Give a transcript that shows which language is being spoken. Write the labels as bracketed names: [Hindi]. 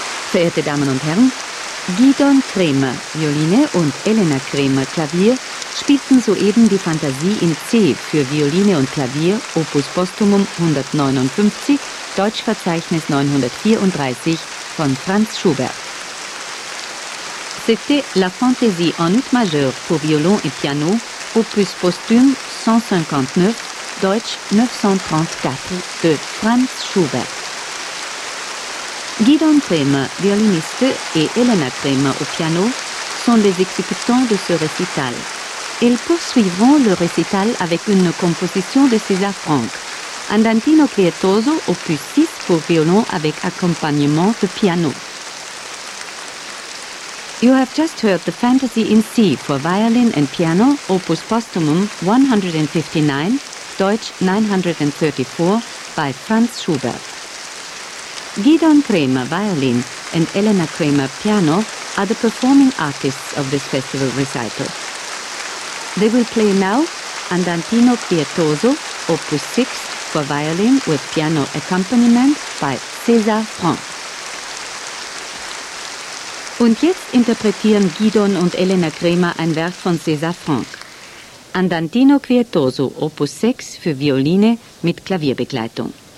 [German] Verehrte Damen und Herren, Gidon Kremer, Violine, und Elena Kremer, Klavier, spielten soeben die Fantasie in C für Violine und Klavier, Opus Postumum 159, Deutschverzeichnis 934 von Franz Schubert. [French] C'était la Fantaisie en ut majeur pour violon et piano, Opus Postum 159, Deutsch 934 de Franz Schubert. Gidon Kremer, violiniste, et Elena Kremer au piano sont les exécutants de ce récital. Ils poursuivront le récital avec une composition de César Franck, Andantino Pietoso, opus 6 pour violon avec accompagnement de piano. [English] You have just heard the Fantasy in C for violin and piano, opus postumum 159, Deutsch 934, by Franz Schubert. Gidon Kremer, violin, and Elena Kremer, piano, are the performing artists of this festival recital. They will play now Andantino Pietoso, opus 6, for violin with piano accompaniment by César Franck. [German] Und jetzt interpretieren Gidon und Elena Kremer ein Werk von César Franck. Andantino Pietoso, opus 6, für Violine mit Klavierbegleitung.